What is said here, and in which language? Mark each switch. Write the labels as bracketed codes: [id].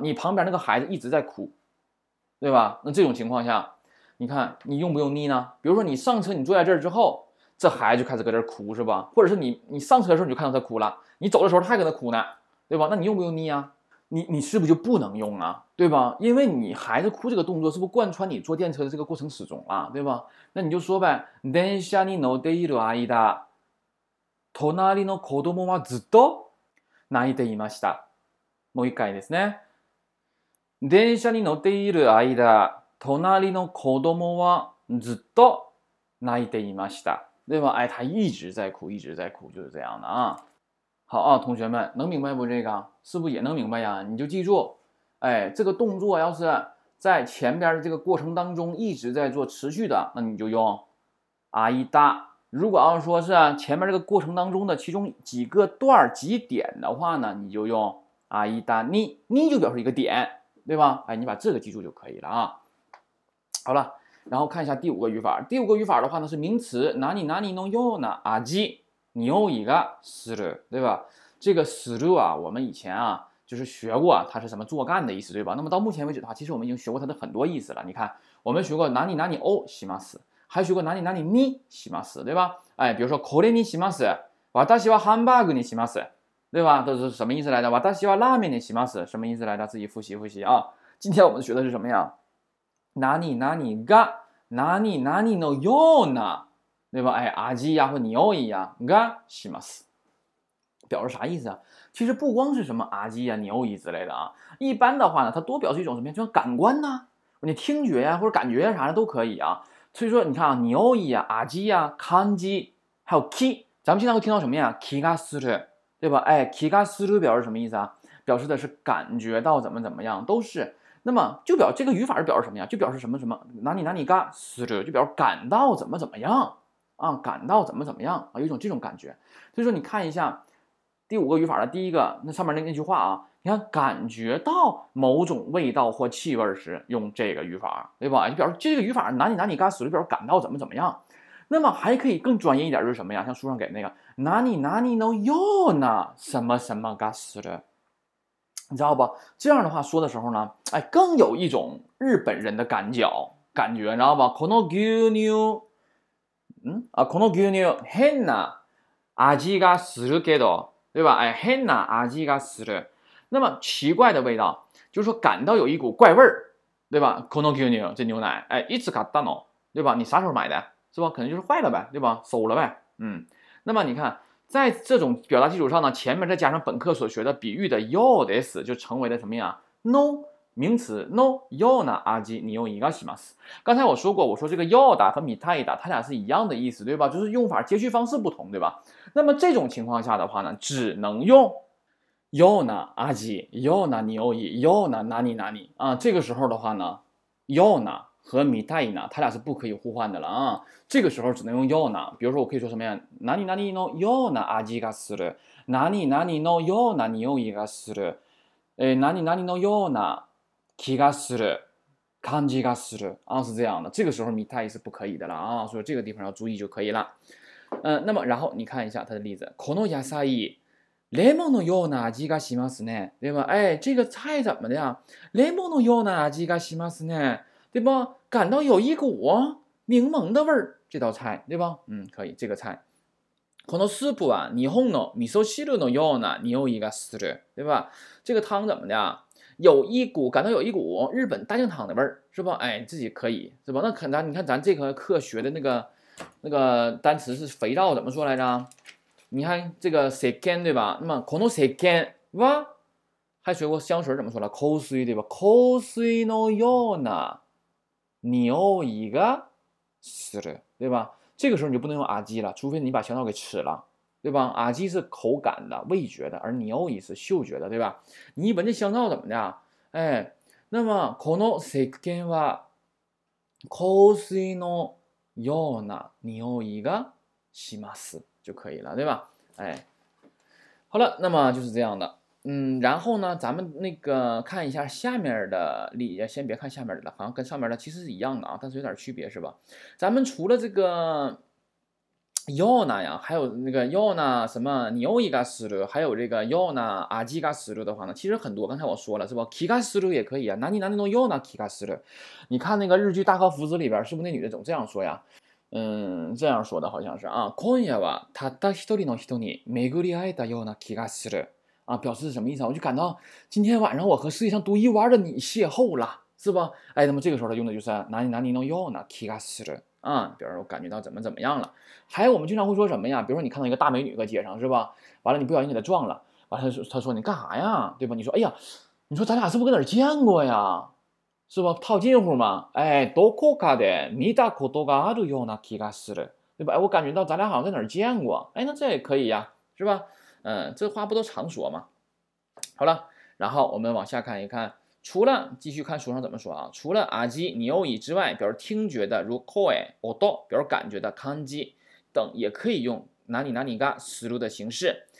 [zh] 你旁边那个孩子一直在哭，对吧？那这种情况下，你看你用不用你呢？比如说你上车，你坐在这儿之后，这孩子就开始搁这儿哭，是吧？或者是你上车的时候你就看到他哭了，你走的时候他还搁那哭呢，对吧？那你用不用你啊？你是不是就不能用啊？对吧？因为你孩子哭这个动作是不是贯穿你坐电车的这个过程始终了，对吧？那你就说呗， [ja] 電車に乗っている間、隣の子供はずっと泣いていました。もう一回ですね。電車に乗っている間、隣の子供はずっと泣いていました。 [zh] 对吧？哎，他一直在哭，一直在哭，就是这样的啊。好啊，同学们，能明白不？这个是不是也能明白呀？你就记住，哎，这个动作要是在前边的这个过程当中一直在做持续的，那你就用間。如果要说是前面这个过程当中的其中几个段几点的话呢，你就用。阿姨达尼尼就表示一个点，对吧？哎，你把这个记住就可以了啊。好了，然后看一下第五个语法。第五个语法的话呢，是名词哪里哪里 [ja] のような味、匂いがする， [zh] 对吧？这个する啊，我们以前啊就是学过它是什么做干的意思，对吧？那么到目前为止的话，其实我们已经学过它的很多意思了。你看，我们学过哪里哪里哦します，还学过哪里哪里にします，对吧？哎，比如说 [ja] これにします，私はハンバーグにします， [zh] 对吧？这是什么意思来着？ [ja] 私はラーメンにします， [zh] 什么意思来着？自己复习复习啊！今天我们学的是什么呀？哪里哪里が哪里哪里のような，对吧？ [ja] 哎，味呀或匂いやがします。 [zh] 表示啥意思啊？其实不光是什么阿基啊、牛姨之类的啊，一般的话呢，它多表示一种什么，就像感官呢、啊，你听觉呀、啊、或者感觉、啊、啥的都可以啊。所以说，你看啊，牛姨啊、阿基啊、康基，还有 key， 咱们经常会听到什么呀 ？key 嘎斯特，对吧？哎 ，key 嘎斯特表示什么意思啊？表示的是感觉到怎么怎么样，都是。那么就表这个语法是表示什么呀？就表示什么什么哪里哪里嘎斯特，就表示感到怎么怎么样啊，感到怎么怎么样啊，有一种这种感觉。所以说，你看一下。第五个语法的第一个那上面那句话啊，你看感觉到某种味道或气味时用这个语法，对吧？就表示这个语法哪里哪里嘎死，就表示感到怎么怎么样。那么还可以更专业一点是什么呀，像书上给那个哪里哪里のような什么什么嘎死的，你知道吧？这样的话说的时候呢，哎，更有一种日本人的感脚感觉，你知道吧？ [ja] この牛乳この牛乳変な味がするけど， [zh] 对吧？ [ja] 哎，変な味がする。 [zh] 那么奇怪的味道，就是说感到有一股怪味儿，对吧？ [ja] この牛乳， [zh] 这牛奶， [ja] 哎，いつ買ったの？ [zh] 对吧？你啥时候买的？是吧？可能就是坏了呗，对吧？馊了呗。那么你看，在这种表达基础上呢，前面再加上本课所学的比喻的ようです，就成为了什么呀 ？no 名词 no ような味にようがします。刚才我说过，我说这个ようだ和みたいだ，它俩是一样的意思，对吧？就是用法接续方式不同，对吧？那么这种情况下的话呢，只能用ような味、ような匂い、ような何々啊。这个时候的话呢，ような和みたいな它俩是不可以互换的了啊。这个时候只能用ような。比如说我可以说什么呀？ [ja] 何々のような味がする、何々のような匂いがする、何々のような気がする、感じがする [zh] 啊，是这样的。这个时候みたい是不可以的了啊，所以这个地方要注意就可以了。那么然后你看一下它的例子， [ja] この野菜レモンのような味がしますね， [zh] 对吧？哎，这个菜怎么的呀？ [ja] レモンのような味がしますね， [zh] 对吧？感到有一股柠檬的味儿，这道菜，对吧？可以，这个菜。 [ja] このスープは日本の味噌汁のような匂いがする， [zh] 对吧？这个汤怎么的？有一股感到有一股日本大酱汤的味儿，是吧？哎，自己可以，是吧？那可能你看咱这个课学的那个单词是肥皂怎么说来着？你看这个石鹸，对吧？那么この石鹸は，还学过香水怎么说了？香水，对吧？ [ja] 香水のような匂いがする， [zh] 对吧？这个时候你就不能用阿基了，除非你把香皂给吃了，对吧？阿基是口感的、味觉的，而匂い是嗅觉的，对吧？你一闻这香皂怎么的？哎，那么 [ja] この石鹸は香水のような匂いがします [zh] 就可以了，对吧？哎，好了，那么就是这样的。然后呢，咱们那个看一下下面的例，先别看下面的了，好像跟上面的其实是一样的啊，但是有点区别，是吧？咱们除了这个ような呀，还有那个ような什么匂いがする，还有这个ような味がする的话呢，其实很多。刚才我说了是吧？気がする也可以啊， [ja] 何何のような気がする。 [zh] 你看那个日剧《大和福子》里边，是不是那女的总这样说呀？这样说的好像是啊。 [ja] 今夜はたった一人の人に巡り会えたような気がする [zh] 啊，表示是什么意思啊？我就感到今天晚上我和世界上独一无二的你邂逅了，是吧？哎，那么这个时候用的就是何何のような気がする。比如说我感觉到怎么怎么样了。还有我们经常会说什么呀，比如说你看到一个大美女在街上，是吧？完了你不小心给她撞了，完了她说你干啥呀，对吧？你说哎呀，你说咱俩是不是搁哪见过呀，是吧？套近乎嘛， [ja] 哎，どこかで見たことがあるような気がする， [zh] 对吧？哎，我感觉到咱俩好像在哪见过，哎，那这也可以呀，是吧？这话不都常说吗？好了，然后我们往下看一看。除了继续看书上怎么说啊，除了阿基尼欧以之外，比如听觉的如コエ、オド，比如感觉的カンジ等，也可以用哪里哪里がする的形式。